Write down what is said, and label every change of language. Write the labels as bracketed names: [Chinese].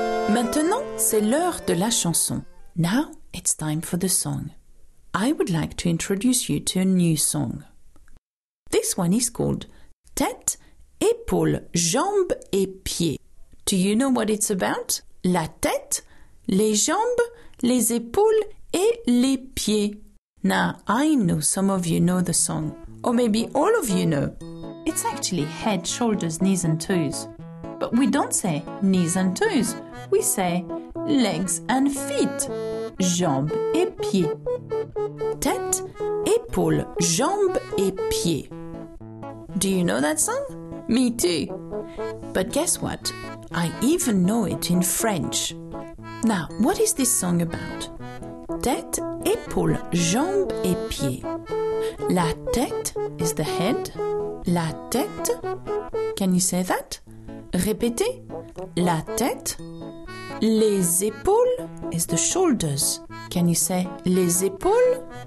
[French] Maintenant, c'est l'heure de la chanson. [English] Now, it's time for the song. I would like to introduce you to a new song. This one is called [French] Tête, épaules, jambes et pieds. [English] Do you know what it's about? [French] La tête, les jambes, les épaules et les pieds. [English] Now, I know some of you know the song. Or maybe all of you know. It's actually head, shoulders, knees and toes. But we don't say knees and toes. We say legs and feet. [French] Jambes et pieds. Tête, épaules, jambes et pieds. [English] Do you know that song? Me too. But guess what? I even know it in French. Now, what is this song about? [French] Tête, épaules, jambes et pieds. La tête [English] is the head. [French] La tête. [English] Can you say that? [French] Répétez. La tête. Les épaules [English] is the shoulders. Can you say [French] les épaules?